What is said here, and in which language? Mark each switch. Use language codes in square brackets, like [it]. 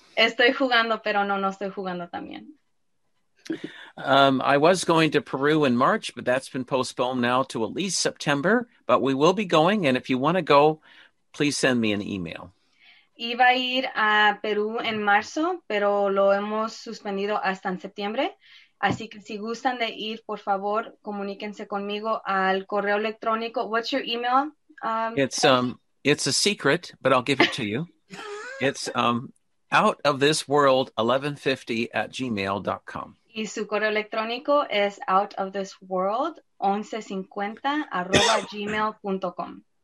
[es] Estoy jugando, pero no estoy jugando también. [en] I was going to Peru in March, but that's been postponed now to at least September. But we will be going, and if you want to go, please send me an email. [es] Iba a ir a Perú en marzo, pero lo hemos suspendido hasta en septiembre. Así que si gustan de ir, por favor, comuníquense conmigo al correo electrónico. [en] What's your email? It's a secret, but I'll give it to you. It's outofthisworld1150@gmail.com. [es] Y su correo electrónico es outofthisworld1150@gmail.com.